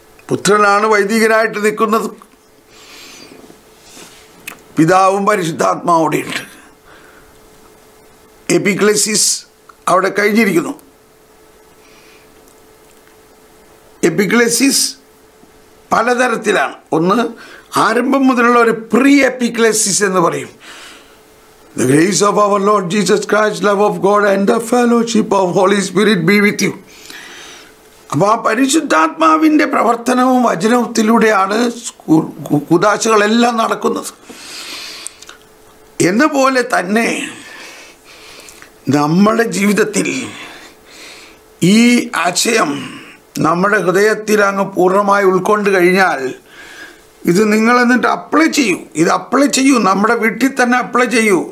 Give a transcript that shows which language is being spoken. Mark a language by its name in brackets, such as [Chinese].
[Malayalam] പുത്രനാണ് വൈദികനായിട്ട് നിൽക്കുന്നത്, പിതാവും പരിശുദ്ധാത്മാവോടെ ഉണ്ട്. എപ്പിക്ലെസിസ് അവിടെ കഴിഞ്ഞിരിക്കുന്നു. എപ്പിക്ലെസിസ് പലതരത്തിലാണ്. ഒന്ന്, ആരംഭം മുതലുള്ള ഒരു പ്രീ എപ്പിക്ലെസിസ് എന്ന് പറയും. [English] The grace of our Lord Jesus Christ, love of God, and the fellowship of Holy Spirit be with you. [Malayalam] അപ്പോൾ ആ പരിശുദ്ധാത്മാവിൻ്റെ പ്രവർത്തനവും വചനത്തിലൂടെയാണ് കൂദാശകളെല്ലാം നടക്കുന്നത്. എന്നപോലെ തന്നെ നമ്മുടെ ജീവിതത്തിൽ ഈ ആശയം നമ്മുടെ ഹൃദയത്തിൽ അങ്ങ് പൂർണ്ണമായി ഉൾക്കൊണ്ട് കഴിഞ്ഞാൽ, ഇത് നിങ്ങൾ എന്നിട്ട് അപ്ലൈ ചെയ്യൂ, ഇത് അപ്ലൈ ചെയ്യൂ, നമ്മുടെ വീട്ടിൽ തന്നെ അപ്ലൈ ചെയ്യൂ.